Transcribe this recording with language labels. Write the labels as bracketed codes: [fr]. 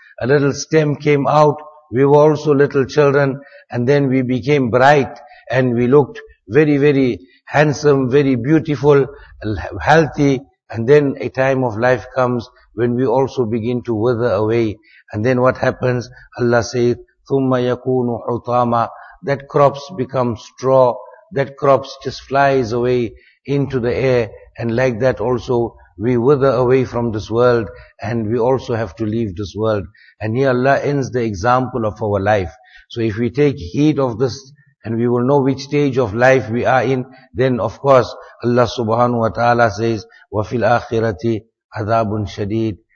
[en] A little stem came out. We were also little children. And then we became bright. And we looked very, very handsome, very beautiful, healthy. And then a time of life comes when we also begin to wither away. And then what happens? Allah says, [ar] ثُمَّ يَكُونُ حُطَامًا. [en] That crops become straw. That crops just flies away into the air. And like that also, we wither away from this world, and we also have to leave this world. And here Allah ends the example of our life. So if we take heed of this, and we will know which stage of life we are in, then of course Allah subhanahu wa ta'ala says, [ar] وَفِي الْآخِرَةِ عَذَابٌ شَدِيدٌ.